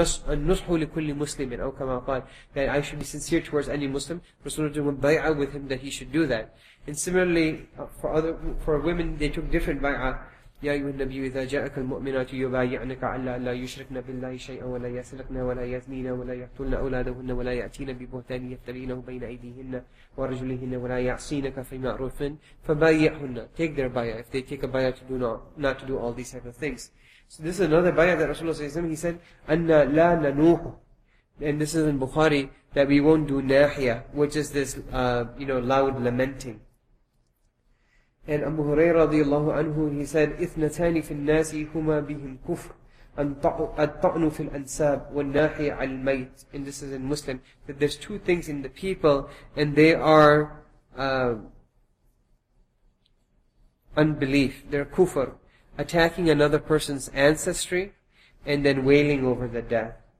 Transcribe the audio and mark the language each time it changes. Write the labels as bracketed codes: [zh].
[ar] النصح لكل مسلم أو كما قال [en] that I should be sincere towards any Muslim. Rasulullah did a bay'ah with him that he should do that. And similarly for other for women they took different bay'ah. [ar] يا أيها النبي إذا جاءك المؤمنات يبايعنك على أن لا يشركن بالله شيئا ولا يسرقن ولا يزنين ولا يقتلن أولادهن ولا يأتين ببهتان يفترينه بين أيديهن ورجلهن ولا يعصينك في معروف فبايعهن. [en] Take their bayah if they take a bayah to do not to do all these type of things. So this is another bayah that Rasulullah says, he said, [ar] أن لا ننوح. [en] And this is in Bukhari, that we won't do nahya, which is this loud lamenting. And Abu Hurairah radiallahu anhu, he said, [ar] إثنتان في الناس هما بهم كفر الطعن في الأنساب والناحية على الميت. [en] And this is in Muslim, that there's two things in the people, and they are unbelief, they're kufr. Attacking another person's ancestry and then wailing over the death.